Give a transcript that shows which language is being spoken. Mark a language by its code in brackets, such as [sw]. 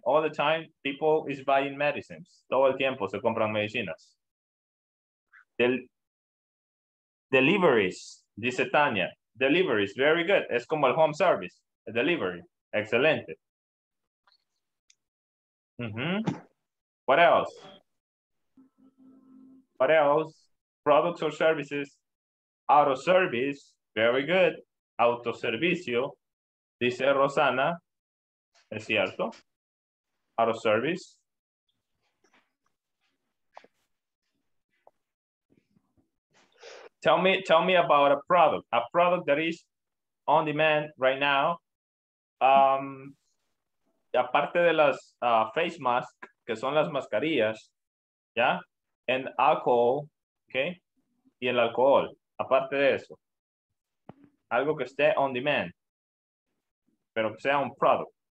[en] All the time, people is buying medicines. [es] Todo el tiempo se compran medicinas. [en] Deliveries, dice Tania. Deliveries, very good. [es] Es como el home service. A delivery, excelente. [en] Mm-hmm. What else? What else? Products or services. Auto service. Very good. [es] Autoservicio. Dice Rosana. ¿Es cierto? [en] Auto service. Tell me about a product. A product that is on demand right now. [es] Aparte de las face masks, que son las mascarillas, ¿ya? En alcohol, okay, y el alcohol, aparte de eso, algo que esté [en] on demand, [es] pero que sea un product.